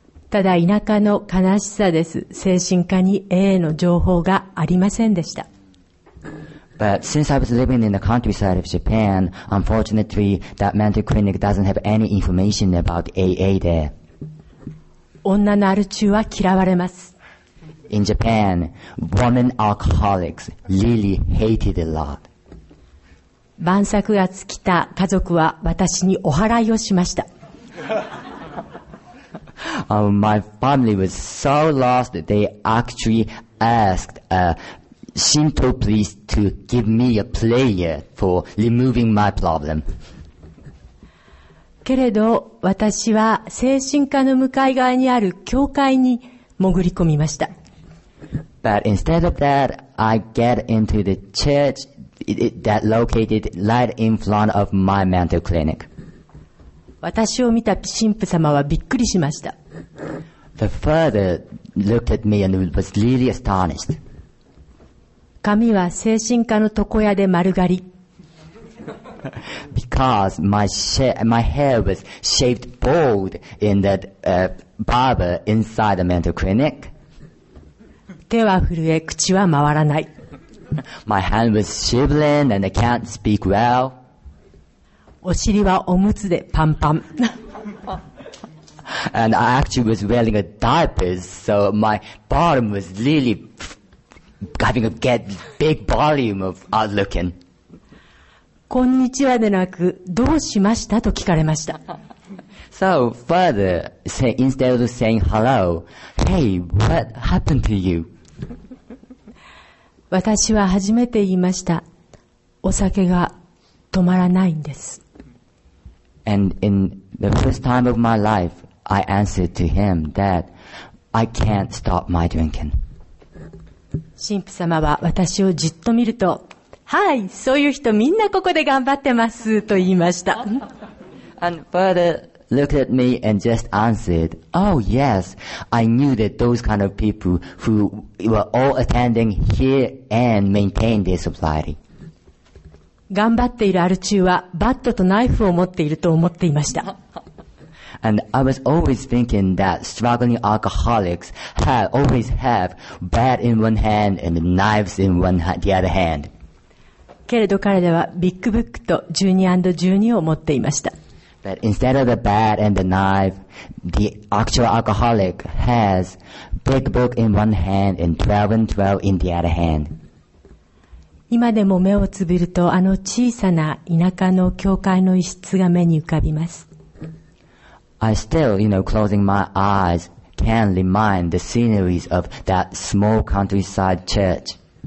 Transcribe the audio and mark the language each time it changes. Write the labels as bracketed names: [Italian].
[Japanese] ただ田舎の悲しさです。精神科に AA の情報がありませんでした。 [English] But since I was living in the countryside of Japan, unfortunately, that mental clinic doesn't have any information about AA there. [Japanese] 女のアル中は嫌われます。 [English] In Japan, women alcoholics really hated a lot. [Japanese] 晩酌が尽きた家族は私にお払いをしました。 [English] my family was so lost that they actually asked a Shinto priest to give me a prayer for removing my problem. [Japanese] けれど私は精神科の向かい側にある教会に潜り込みました。 [English] But instead of that I get into the church that located right in front of my mental clinic。 [Japanese] 私を見た神父様はびっくりしました。 [English] The father looked at me and was really astonished。 [Japanese] 髪は精神科の床屋で丸刈り。 [English] Because my hair was shaved bald in that barber inside the mental clinic. [Japanese] 手は震え、口は回らない。 [English] My hand was shivering and I can't speak well. [Japanese] お尻はおむつでパンパン。 [English] And I actually was wearing a diaper, so my bottom was really having a big volume of outlooking. [Japanese] こんにちはでなく、どうしましたと聞かれました。 [English] So, father, say, instead of saying hello, hey, what happened to you? [Japanese] 私は初めて言いました。お酒が止まらないんです。 [English] And in the first time of my life, I answered to him that I can't stop my drinking. [Japanese] 神父様は私をじっと見ると、はい、そういう人みんなここで頑張ってますと言いました。 [English] And father looked at me and just answered, Oh yes, I knew that those kind of people who were all attending here and maintain their sobriety. [Japanese] 頑張っているアル中はバットとナイフを持っていると思っていました。 [English] And I was always thinking that struggling alcoholics always have bat in one hand and knives in the other hand. [Japanese] けれど彼ではビッグブックと12&12を持っていました。 [English] But instead of the bat and the knife, the actual alcoholic has big book in one hand and 12&12 in the other hand. [Japanese] 今でも目をつぶるとあの小さな田舎の教会の一室が目に浮かびます。 [English] I still, you know, closing my eyes can remind the sceneries of that small countryside church.